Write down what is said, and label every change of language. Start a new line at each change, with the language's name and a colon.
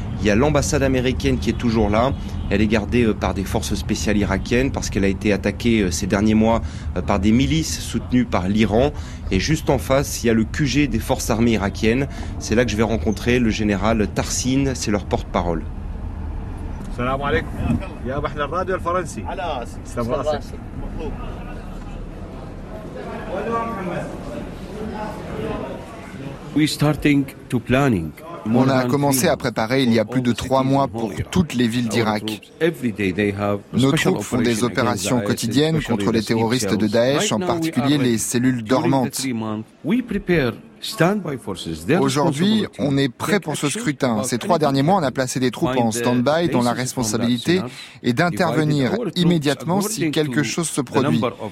French: Il y a l'ambassade américaine qui est toujours là. Elle est gardée par des forces spéciales irakiennes parce qu'elle a été attaquée ces derniers mois par des milices soutenues par l'Iran. Et juste en face, il y a le QG des forces armées irakiennes. C'est là que je vais rencontrer le général Tarsin, c'est leur porte-parole.
Arabic: السلام عليكم يا ابو احنا الراديو الفرنسي على راسك تسلم راسك
English: مطلوب we starting to planning.
French: On a commencé à préparer il y a plus de 3 mois pour toutes les villes d'Irak. Nos troupes font des opérations quotidiennes contre les terroristes de Daesh, en particulier les cellules dormantes. Aujourd'hui, on est prêt pour ce scrutin. Ces 3 derniers mois, on a placé des troupes en stand-by dont la responsabilité est d'intervenir immédiatement si quelque chose se produit.